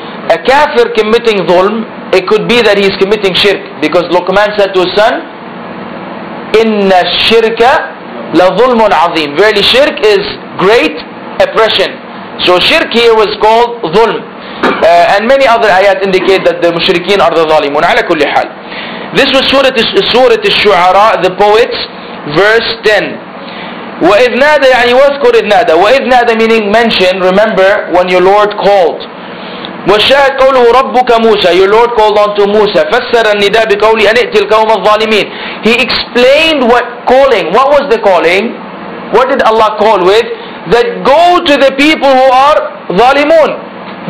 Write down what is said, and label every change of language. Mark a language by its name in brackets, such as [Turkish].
[English] A kafir committing zulm, it could be that he's committing shirk, because Luqman said to his son, [Arabic] "Inna shirka la zulmun azim." [English] Verily, shirk is great oppression. So shirk here was called zulm, and many other ayat indicate that the mushrikeen are the zalimun. [Arabic] Ala kulli hal. [English] This was Surah Al-Shu'ara, the poets, verse 10. [Arabic] وَإِذْ نَادَى يعني وَاذْكُرْ إِذْ نَادَى وَإِذْ نَادَى [English] meaning mention, remember when your Lord called. [Arabic] وَشَاهَدْ قَوْلُهُ رَبُّكَ مُوسَى [English] Your Lord called on to Musa. [Arabic] فَسَّرَ النِّدَى بِقَوْلِ أَنْ اِئْتِ الْقَوْمَ الظَّالِمِينَ [English] He explained what calling, what was the calling? What did Allah call with? That go to the people who are ظالمون.